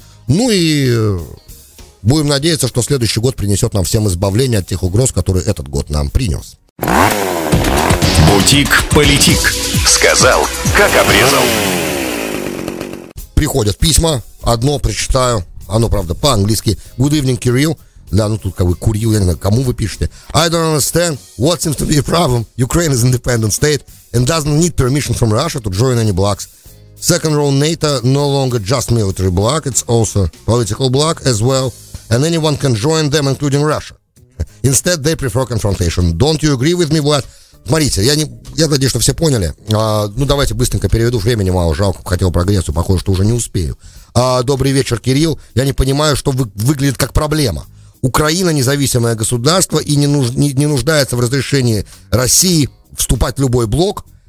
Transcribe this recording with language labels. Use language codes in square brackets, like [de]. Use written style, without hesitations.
[ru] Ну и будем надеяться, что следующий год принесет нам всем избавление от тех угроз, которые этот год нам принес. Бутик Политик. Сказал, как обрезал. Приходят письма. Одно прочитаю. Оно, правда, по-английски. [en] Good evening, Kirill. [ru] Да, ну тут как бы курил, я не знаю, кому вы пишете. [en] I don't understand what seems to be a problem. Ukraine is an independent state and doesn't need permission from Russia to join any blocs. Second row, NATO no longer just military bloc, it's also political bloc as well. And anyone can join them, including Russia. Instead, they prefer confrontation. Don't you agree with me, Vlad? [ru] Смотрите, я надеюсь, что все поняли. Ну давайте быстренько переведу, времени мало, жалко, хотел про Грецию, похоже, что уже не успею. Добрый вечер, Кирилл. Я не понимаю, что выглядит как проблема. Украина независимое государство и не нуждается в разрешении России вступать в любой блок.